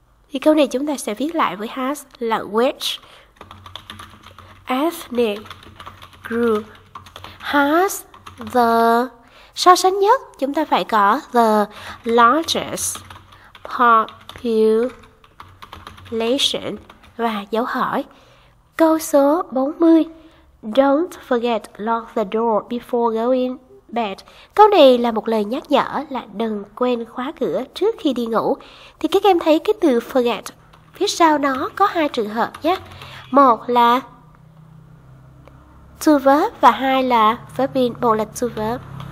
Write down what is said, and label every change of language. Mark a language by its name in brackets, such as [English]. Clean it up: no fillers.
[Vietnamese] Thì câu này chúng ta sẽ viết lại với has là [English] which ethnic group has the, [Vietnamese] so sánh nhất chúng ta phải có [English] the largest population [Vietnamese] và dấu hỏi. Câu số 40, [English] don't forget lock the door before going bed. [Vietnamese] Câu này là một lời nhắc nhở là đừng quên khóa cửa trước khi đi ngủ. Thì các em thấy cái từ forget phía sau nó có hai trường hợp nhé. Một là to verb và hai là verb been. Một là to verb.